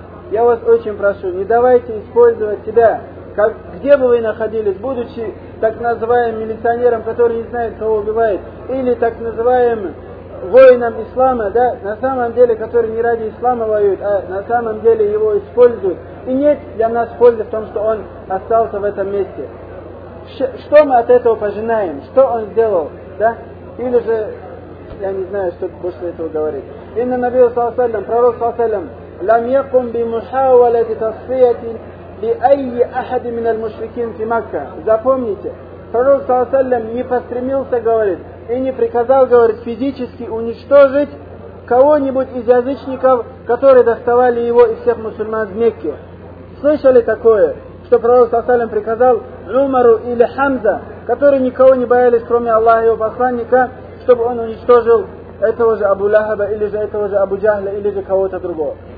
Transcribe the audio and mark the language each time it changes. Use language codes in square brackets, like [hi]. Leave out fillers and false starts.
[ru] Я вас очень прошу, не давайте использовать себя, как, где бы вы находились, будучи так называемым милиционером, который не знает, кого убивает, или так называемым воином ислама, да, на самом деле, который не ради ислама воюет, а на самом деле его используют. И нет для нас пользы в том, что он остался в этом месте. Что мы от этого пожинаем? Что он сделал? Да? Или же, я не знаю, что после этого говорить. [ar] Инна Набия саллаллаху алейхи вассалям, пророк саллаллаху алейхи вассалям, لم يقم بمحاولة تصفية لأي أحد من المشركين في مكة. [ru] Запомните, пророк саллям не постремился, говорит, и не приказал, говорит, физически уничтожить кого-нибудь из язычников, которые доставали его и всех мусульман в Мекке. Слышали такое, что пророк саллям приказал Умару или Хамза, которые никого не боялись, кроме Аллаха и его посланника, чтобы он уничтожил этого же Абу Лахаба, или же этого же Абу Джахля, или же кого-то другого?